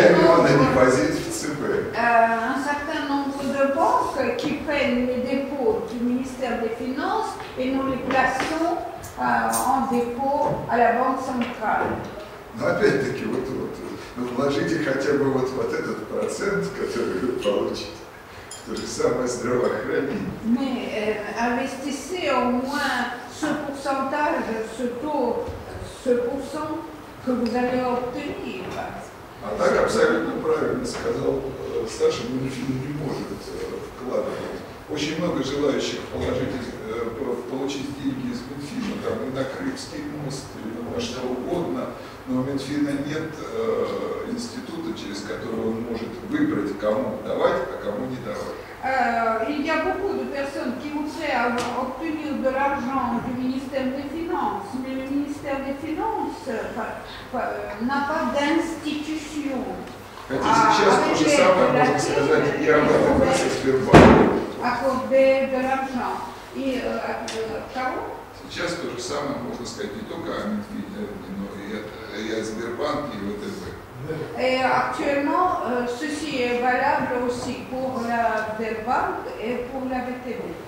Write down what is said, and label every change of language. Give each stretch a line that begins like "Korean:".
French: Un certain nombre de banques qui prennent les dépôts du ministère des Finances et nous les plaçons en dépôt à la Banque centrale.
Russian: Но опять-таки, вот, вложите хотя бы вот этот процент, который вы получите. То же самое здравоохранение.
French: Mais investissez au moins ce pourcentage, ce taux, ce pourcent que vous allez obtenir.
Russian: А так абсолютно правильно сказал Саша, мы не можем это вкладывать. Очень много желающих получить деньги из Минфина, там и на Крымский мост, или на что угодно, но у Минфина нет института, через который он может выбрать, кому давать, а кому не давать.
French: Il y a beaucoup de personnes qui voudraient obtenir de l'argent du ministère des Finances, mais le ministère des Finances n'a pas d'institution.
Russian: Хотя сейчас то же самое можно сказать и об этом Сбербанке. Сейчас то же самое можно сказать не только о Минфине, но и о Сбербанке, и ВТБ.
French: Et actuellement, ceci est valable aussi pour la Sberbank et pour la VTB.